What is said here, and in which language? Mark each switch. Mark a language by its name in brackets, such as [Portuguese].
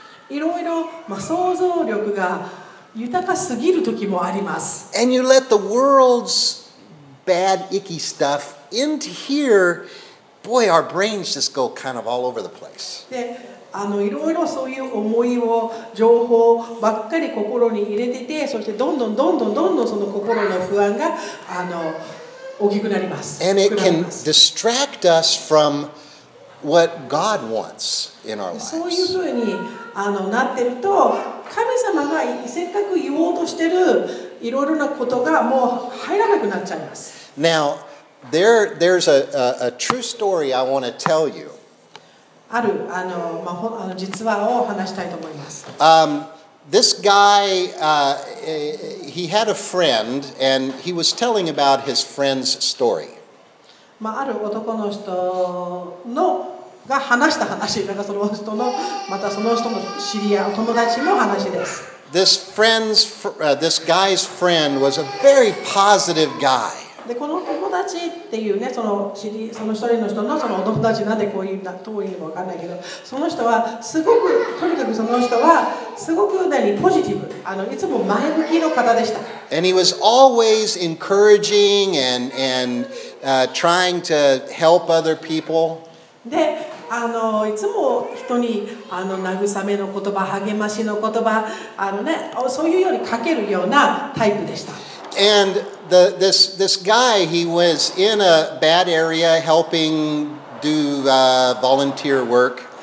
[Japanese] いろいろ、まあ、想像力が豊かすぎる時もあります。 [English] And you let the world's bad, icky stuff into here, boy, our brains just go kind of all over the place. [Japanese] で、いろいろそういう思いを、情報ばっかり心に入れてて、そしてどんどんどんどんどんどんその心の不安が大きくなります。 [English] And it can distract us from what God wants in our lives. [Japanese] そういうふうになってると、神様がせっかく言おうとしてるいろいろなことがもう入らなくなっちゃいます。 [English] Now, there's a true story I want to tell you. [Japanese] ある実話を話したいと思います。 [English] This guy, he had a friend, and he was telling about his friend's story. [Japanese] まあ、ある男の人のが話した話、なんかその人のまたその人の知り合い、友達の話です。 [English] This friend's, this guy's friend was a very positive guy. [Japanese] でこの友達っていうね、その知り、その一人の人のそのお友達なんでこういうなどういうのかわかんないけど、その人はすごくとにかくその人はすごく何ポジティブ、いつも前向きの方でした。 [English] And he was always encouraging and trying to help other people. [Japanese] で、いつも人に慰めの言葉、励ましの言葉、ね、そういうようにかけるようなタイプでした。 [English] And this guy, he was in a bad area helping do volunteer work.